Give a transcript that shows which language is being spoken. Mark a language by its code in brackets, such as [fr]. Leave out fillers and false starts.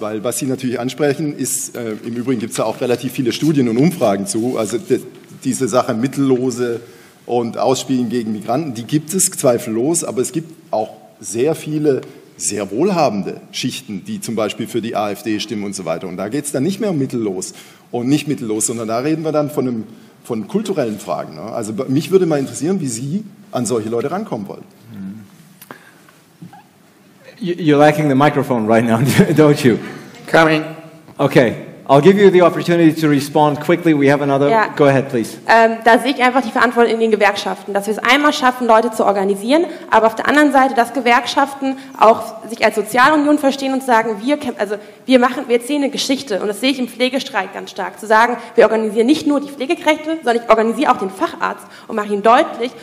[de] Weil was Sie natürlich ansprechen, ist, im Übrigen gibt es da auch relativ viele Studien und Umfragen zu, also diese Sache Mittellose und Ausspielen gegen Migranten, die gibt es zweifellos, aber es gibt auch sehr viele sehr wohlhabende Schichten, die zum Beispiel für die AfD stimmen und so weiter. Und da geht es dann nicht mehr um mittellos und nicht mittellos, sondern da reden wir dann von kulturellen Fragen. Ne? Also mich würde mal interessieren, wie Sie an solche Leute rankommen wollen. [en] You're lacking the microphone right now, don't you? Coming. Okay, I'll give you the opportunity to respond quickly. We have another. Yeah. Go ahead, please. [de] Da sehe ich einfach die Verantwortung in den Gewerkschaften, dass wir es einmal schaffen, Leute zu organisieren, aber auf der anderen Seite, dass Gewerkschaften auch sich als Sozialunion verstehen und sagen, wir erzählen eine Geschichte. Und das sehe ich im Pflegestreik ganz stark. Zu sagen, wir organisieren nicht nur die Pflegekräfte, sondern ich organisiere auch den Facharzt und mache ihn deutlich.